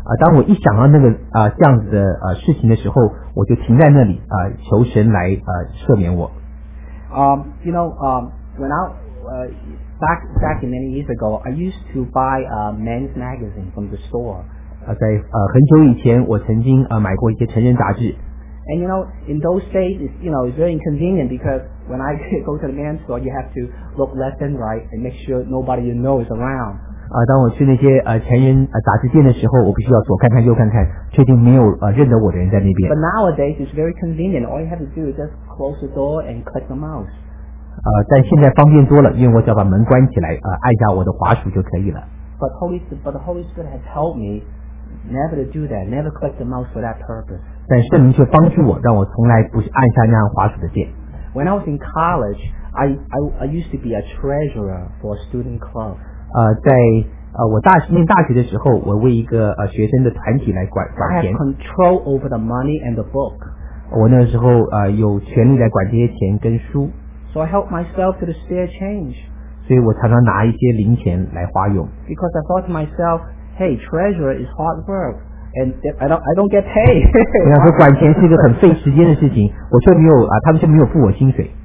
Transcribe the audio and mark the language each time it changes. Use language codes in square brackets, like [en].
[zh] 当我一想到那个这样子的事情的时候，我就停在那里求神来赦免我。 [en] You know, when I back in many years ago, I used to buy a men's magazine from the store. [zh] 在很久以前，我曾经买过一些成人杂志。 [en] And you know, in those days, it's very inconvenient because when I go to the men's store, you have to look left and right and make sure nobody you know is around. [zh] 当我去那些成人杂志店的时候，我必须要左看看右看看，确定没有认得我的人在那边。 [en] But nowadays, it's very convenient. All you have to do is just close the door and click the mouse. [zh] 但现在方便多了，因为我只要把门关起来，按下我的滑鼠就可以了。 [en] But the Holy Spirit has helped me never to do that, never click the mouse for that purpose. [zh] 但圣灵却帮助我，让我从来不按下那样滑鼠的键。 [en] When I was in college, I used to be a treasurer for a student club. [zh] 我念大学的时候，我为一个学生的团体来管钱。 [en] I had control over the money and the book. [zh] 我那时候有权利来管这些钱跟书。 [en] So I helped myself to the spare change. [zh] 所以我常常拿一些零钱来花用。 [en] Because I thought to myself, hey, treasurer is hard work, and I don't get paid. [zh] 我说管钱是一个很费时间的事情，我却没有他们却没有付我薪水。